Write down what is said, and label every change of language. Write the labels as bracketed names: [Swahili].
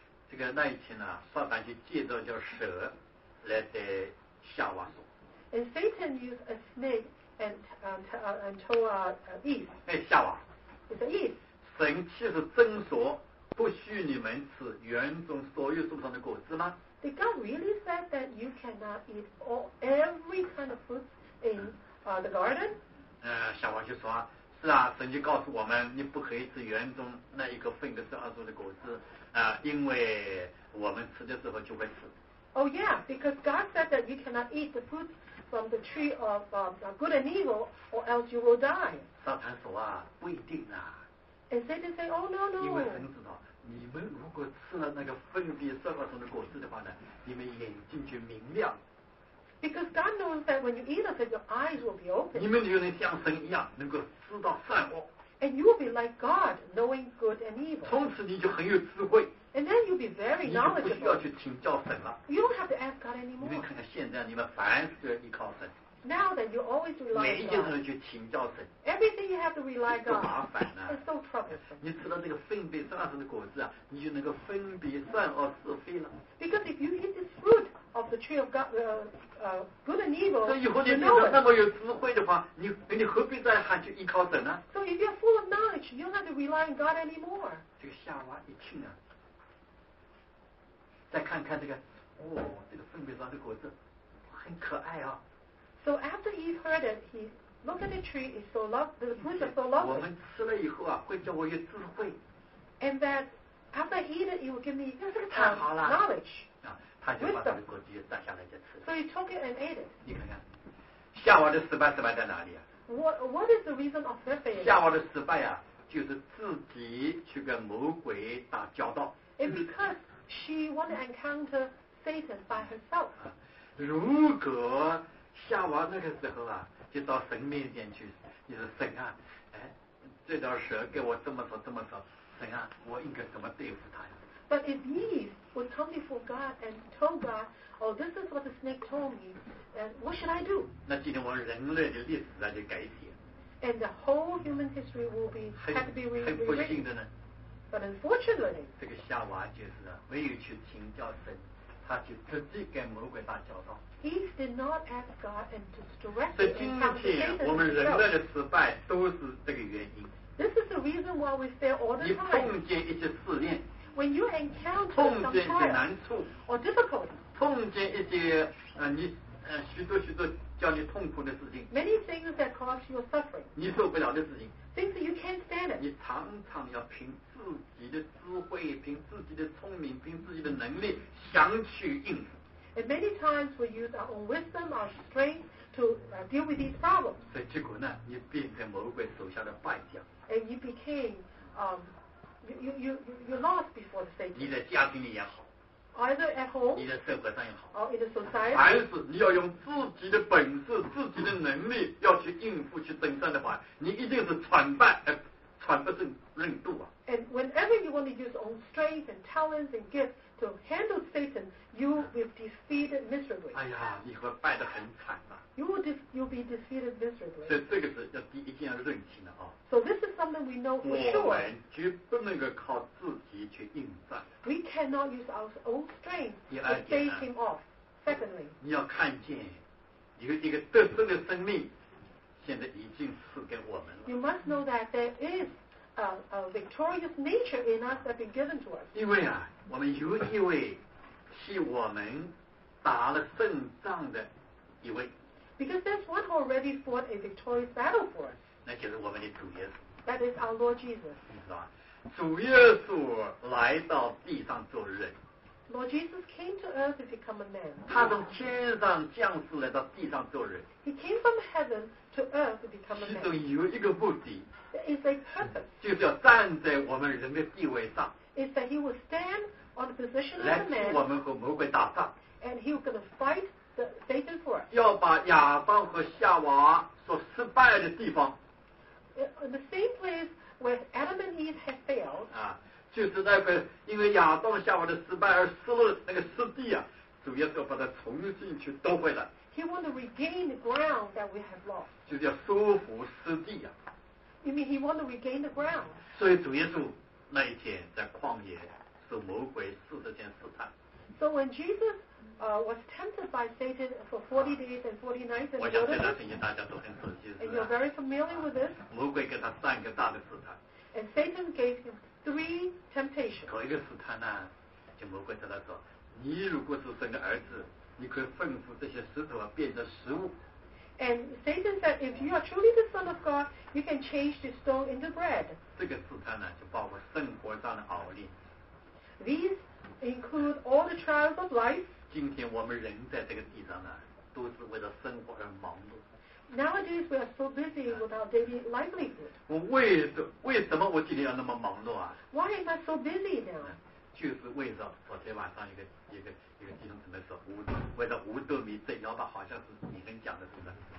[Chinese] 这个那一天呢，撒旦就借着叫蛇来对夏娃说。 [English] And Satan used a snake and told Eve. [Chinese] 哎，夏娃。 [English] It's Eve. [Chinese] 神岂是真说不许你们吃园中所有树上的果子吗 [English] ？Did God really said that you cannot eat all every kind of fruits in the garden？ [Chinese] 夏娃就说。是啊，神就告诉我们，你不可以吃园中那一个分的十二种的果子啊、因为我们吃的时候就会死。 [English] Oh yeah, because God said that you cannot eat the fruit from the tree of good and evil, or else you will die. [Chinese] 撒旦说啊，不一定啊。 [English] And Satan say, oh no no. [Chinese] 因为神知道，你们如果吃了那个分的十二种的果子的话呢，你们眼睛就明亮。 [English] Because God knows that when you eat of it, your eyes will be open. [Chinese] 你们就能像神一样，能够知道善恶。 [English] And you will be like God, knowing good and evil. [Chinese] 从此你就很有智慧。 [English] And then you'll be very knowledgeable. [Chinese] 你就不需要去请教神了。 [English] You don't have to ask God anymore. [Chinese] 你们看看现在，你们凡事都要依靠神。 [English] Now that you always rely on God. [Chinese] 每一件事去请教神。 [English] Everything you have to rely on God. [Chinese] 多麻烦呢、啊、 [English] ？It's so troublesome. [Chinese] 你吃了这个分别善恶的果子啊，你就能够分别善恶是非了。 [English] Because if you eat this fruit. of the tree of God, good and evil. So if you're full of knowledge, you don't have to rely on God anymore. [Chinese] 这个夏娃一听呢，再看看这个，哦，这个分别上的果子很可爱啊。 [English] So after Eve heard it, he looked at the tree. It's so lovely. The fruit is so lovely. [Chinese] 我们吃了以后啊，会叫我有智慧。 [English] And that after I eat it, it will give me knowledge. [Chinese] 他就把这个果子也摘下来就吃了。 [English] So he took it and ate it. [Chinese] 你看看，夏娃的失败失败在哪里啊？ [English] What is the reason of her failure? [Chinese] 夏娃的失败啊，就是自己去跟魔鬼打交道。 [English] It's because she wanted to encounter Satan by herself. [Chinese] 如果夏娃那个时候啊，就到神面前去，你说神啊，哎，这条蛇给我这么说这么说，神啊，我应该怎么对付他呀？ [English] But if Eve was come before God and told God, oh, this is what the snake told me, and what should I do? [Chinese] 那今天我们人类的历史上就改写。 [English] And the whole human history will be had to be rewritten. [Chinese] 很不幸的呢。 [English] But unfortunately, [Chinese] 这个夏娃就是没有去请教神。他就直接跟魔鬼打交道。 [English] He did not ask God and to direct [Chinese] him. 所以今天我们人类的失败都是这个原因。 [English] This is the reason why we fail all the time. [Chinese] 你碰见一些试炼。 [English] When you encounter some trial. [Chinese] 碰见一些难处。 [English] Or difficulty. [Chinese] 碰见一些许多许多叫你痛苦的事情。 [English] Many things that cause your suffering. [Chinese] 你受不了的事情。 Things that you can't stand it. 你常常要拼。自己的智慧，凭自己的聪明，凭自己的能力，想去应付。 [English] And many times we use our own wisdom, our strength to deal with these problems. [Chinese] 所以结果呢，你变成魔鬼手下的败将。 [English] And you became, you lost before the Satan. [Chinese] 你的家庭里也好。 [English] Either at home. [Chinese] 你的社会上也好。 [English] Or in the society. [Chinese] 还是你要用自己的本事、自己的能力要去应付、去征战的话，你一定是惨败。 [English] And whenever you want to use own strength and talents and gifts to handle Satan, you will be defeated miserably. [Chinese] 哎呀，你会败得很惨嘛。 [English] You'll be defeated miserably. [Chinese] 所以这个是一定要认清的啊。 [English] So this is something we know for sure. [Chinese] 我们绝不能够靠自己去应战。 [English] We cannot use our own strength to stay him off. Secondly, [Chinese] 你要看见一个得胜的生命。现在已经赐给我们了。 [English] You must know that there is a victorious nature in us that has been given to us. [Chinese] 因为啊，我们有一位替我们打了胜仗的一位。 [English] Because there's one who already fought a victorious battle for us. [Chinese] 那就是我们的主耶稣。 [English] That is our Lord Jesus. [Chinese] 主耶稣来到地上做人。 [English] Lord Jesus came to earth to become a man. [Chinese] 他从天上降世来到地上做人。 [English] He came from heaven to earth to become a man. [Chinese] 其中有一个目的。 [English] It's a purpose. [Chinese] 就是要站在我们人的地位上。 [English] It's that he will stand on the position of a man. [Chinese] 来替我们和魔鬼打仗。 [English] And he was going to fight the Satan for us. [Chinese] 要把亚当和夏娃所失败的地方。 [English] In the same place where Adam and Eve had failed. [Chinese] 就是那个因为亚当夏娃的失败而失落那个失地啊，主耶稣把它重新去夺回来。 [English] He want to regain the ground that we have lost. [Chinese] 就叫收复失地啊。 [English] You mean he want to regain the ground? [Chinese] 所以主耶稣那一天在旷野受魔鬼40天试探。 [English] So when Jesus was tempted by Satan for 40 days and 40 nights in the wilderness, [Chinese] 我想这段事情大家都很熟悉，是吧？ [English] And you're very familiar with this. [Chinese] 魔鬼给他三个大的试探。 [English] And Satan gave him three temptations. [Chinese] 头一个试探呢，就魔鬼对他说：“你如果是神的儿子，你可以吩咐这些石头变成食物。” [English] And Satan said, "If you are truly the Son of God, you can change the stone into bread." [Chinese] 这个试探呢，就包括生活上的熬炼。 [English] These include all the trials of life. [Chinese] 今天我们人在这个地上呢，都是为了生活而忙碌。 [English] Nowadays, we are so busy with our daily livelihood. [Chinese] 为什么我今天要那么忙碌啊？ [English] Why am I so busy now? [Chinese] 就是为了昨天晚上一个弟兄姊妹说，为了五斗米折腰吧，好像是你跟讲的，是不是？